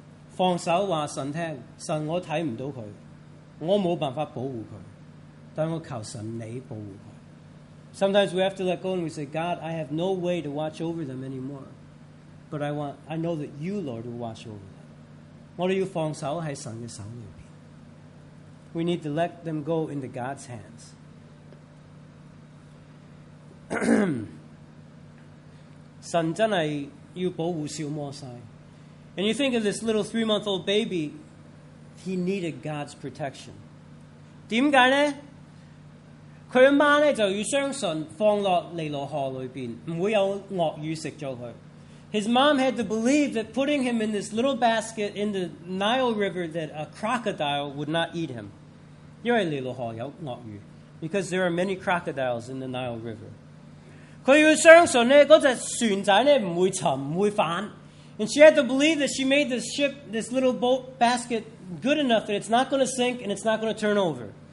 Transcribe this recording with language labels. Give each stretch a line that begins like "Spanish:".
Cantonese: 放手話神聽，神我睇唔到佢，我冇辦法保護佢，但我求神你保護佢。
English: Sometimes we have to let go, and we say, God, I have no way to watch over them anymore. But I know that you, Lord, will watch over them.
Cantonese: 我哋要放手喺神嘅手里边。
English: We need to let them go into God's hands.
Cantonese: 神真系要保护小摩西。
English: And you think of this little three-month-old baby, he needed God's protection.
Cantonese: 点解呢？佢阿妈咧就要相信放落尼罗河里边唔会有鳄鱼食咗佢。
English: His mom had to believe that putting him in this little basket in the Nile River that a crocodile would not eat him. Because there are many crocodiles in the Nile River. And she had to believe that she made this ship, this little boat basket, good enough that it's not going to sink and it's not going to turn over.